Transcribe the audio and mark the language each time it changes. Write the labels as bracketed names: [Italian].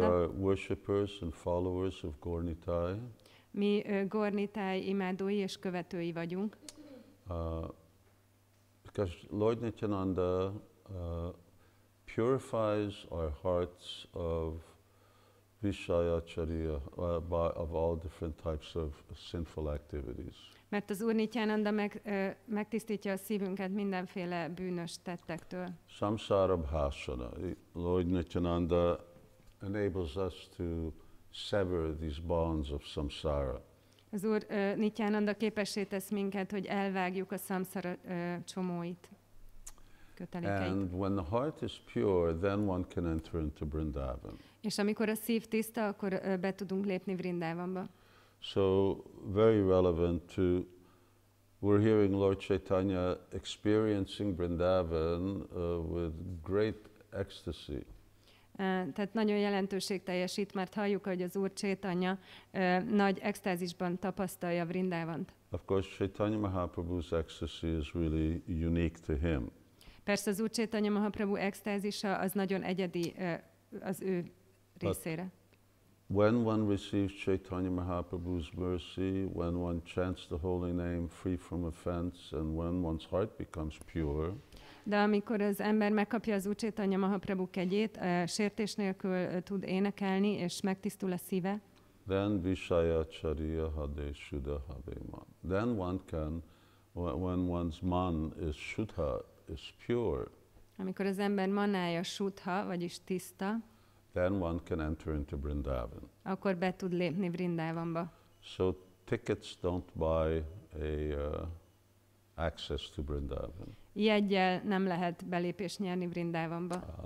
[English] We are worshippers and followers of Gaur Nitai. [Hungarian] Mi Gaur Nitai imádói és követői vagyunk. [English] Because Lord Nityananda purifies our hearts of Vishayacharya, of all different types of sinful activities. [Hungarian] Mert az Úr Nityananda megtisztítja a szívünket mindenféle bűnös tettektől. [Bangla] Samsara bhasana. [English] Lord Nityananda enables us to sever these bonds of samsara. [Hungarian] Az Úr Nityananda képessé tesz minket, hogy elvágjuk a samsara csomóit, kötelékeit. [English] And when the heart is pure, then one can enter into Vrindavan. [Hungarian] És amikor a szív tiszta, akkor be tudunk lépni Vrindavanba. [English] So very relevant to, we're hearing Lord Chaitanya experiencing Vrindavan with great ecstasy. [Hungarian] Tehát nagyon jelentőség teljesít, mert halljuk, hogy az Úr Chaitanya nagy extázisban tapasztalja Vrindavant. [English] Of course, Chaitanya Mahaprabhu's ecstasy is really unique to him. [Hungarian] Persze az Úr Chaitanya Mahaprabhu extázisa az nagyon egyedi az ő részére. [English] But when one receives Chaitanya Mahaprabhu's mercy, when one chants the holy name free from offense, and when one's heart becomes pure, [Hungarian] de amikor az ember megkapja az Úr Chaitanya Mahaprabhu kegyét, sértés nélkül tud énekelni, és megtisztul a szíve, [Bangla] then Vishaya Charya Hade Shuddha Habe Man. [English] Then one can, when one's man is shuddha, is pure, [Hungarian] amikor az ember manája shuddha, vagyis tiszta, [English] then one can enter into Vrindavan. [Hungarian] Akkor be tud lépni Vrindavanba. [English] So tickets don't buy a access to Vṛndāvana. [Hungarian] Jeggyel nem lehet belépés nyerni Vṛndāvanba.